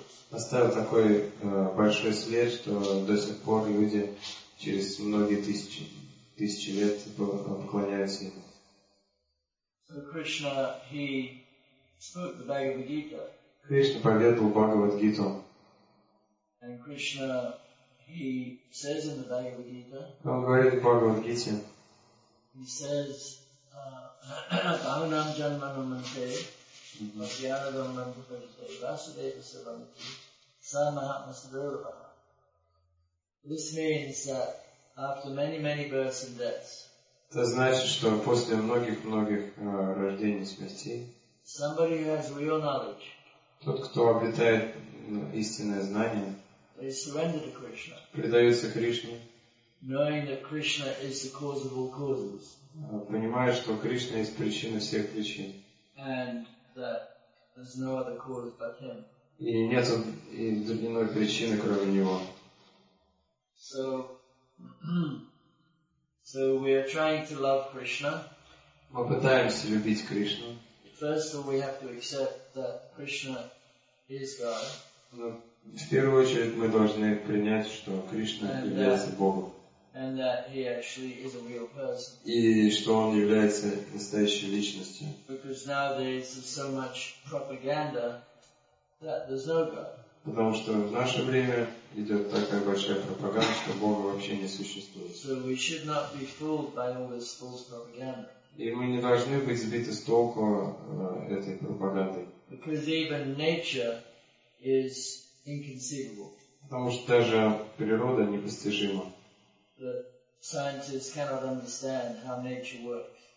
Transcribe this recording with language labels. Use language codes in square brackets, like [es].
[ru] Оставил такой большой след, что до сих пор люди через многие тысячи лет поклоняются ему. [en] So Krishna, he spoke the Bhagavad Gita. [ru] Кришна поведал Бхагавад Гиту. [en] And Krishna, he says in the Bhagavad Gita. [ru] Он говорит в Бхагавад Гите. [sa] He says, Bhavanam Janmanamante, Vajyanadam Mantapajite, Vasudeva Savamati, Samahatma Sadurava. [en] This means that after many, many births and deaths, [ru] это значит, что после многих-многих рождений и смертей, [en] somebody who has real knowledge, [ru] тот, кто обретает истинное знание, [en] they surrender to Krishna, [ru] предается Кришне, [en] knowing that Krishna is the cause of all causes, [ru] понимая, что Кришна есть причина всех причин, [en] and that there's no other cause but Him. [ru] И нет иной причины, кроме Него. [en] So we are trying to love Krishna. [ru] Мы пытаемся любить Кришну. [en] First of all, we have to accept that Krishna is God. [ru] Но в первую очередь мы должны принять, что Кришна является Богом. [en] And that he actually is a real person. [ru] И что он является настоящей личностью. [en] Because nowadays there's so much propaganda that there's no God. [ru] Потому что в наше время идет такая большая пропаганда, что Бога вообще не существует. [en] So we should not be fooled by all this false propaganda. [ru] И мы не должны быть сбиты с толку этой пропагандой. [en] Because even nature is inconceivable. [ru] Потому что даже природа непостижима. [en] The scientists cannot understand how nature works.